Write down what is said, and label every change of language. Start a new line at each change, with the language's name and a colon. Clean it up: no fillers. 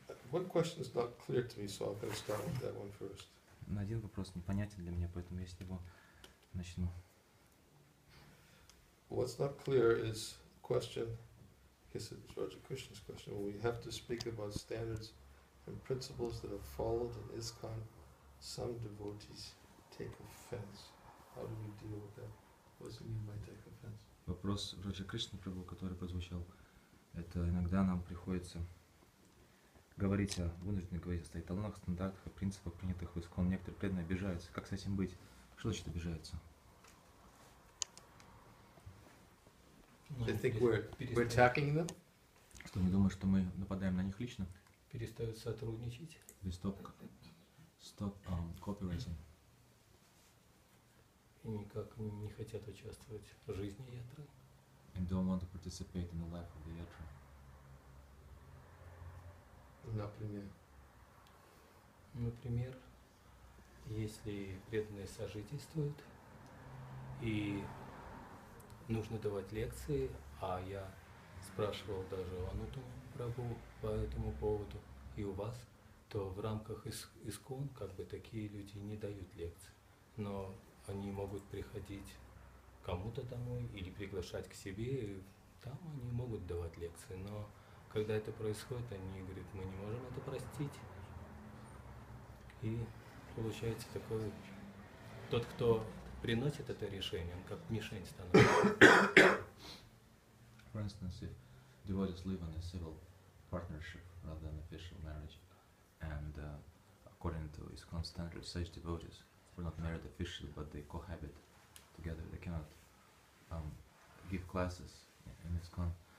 English: One question is not clear to me, so I'm going to start with that one first.
Russian: Один вопрос непонятен для меня, поэтому я с него начну.
English: What's not clear is question, I guess it's Raja Krishna's question, we have to speak about standards and principles that are followed in ISKCON. Some devotees take offense. How do we deal with that? What does it mean by take offense?
Russian: Вопрос Раджа Кришны Прабху, который прозвучал, это иногда нам приходится говорить о вынужденных говорить о стандартах, стандартах, о принципах, принятых в ИСККОН. Некоторые преданные обижаются. Как с этим быть? Что значит обижаются?
English: They think we're attacking them?
Russian: Что, не думают, что мы нападаем на них лично? Перестают сотрудничать.
English: They stop cooperating.
Russian: И никак не хотят участвовать в жизни Ятры.
English: And don't want to participate in the life of the Yatra.
Russian: Например, если преданные сожительствуют и нужно давать лекции, а я спрашивал даже Анутум Прабху по этому поводу и у вас, то в рамках ИСККОН как бы такие люди не дают лекции, но они могут приходить кому-то домой или приглашать к себе, и там они могут давать лекции, но когда это происходит, они говорят, мы не можем это простить. И получается такое, тот, кто приносит это решение, он как мишень становится.
English: For instance, if devotees live in a civil partnership rather than official marriage, and according to ISKCON standards, such devotees were not married officially, but they cohabit together, they cannot give classes in ISKCON.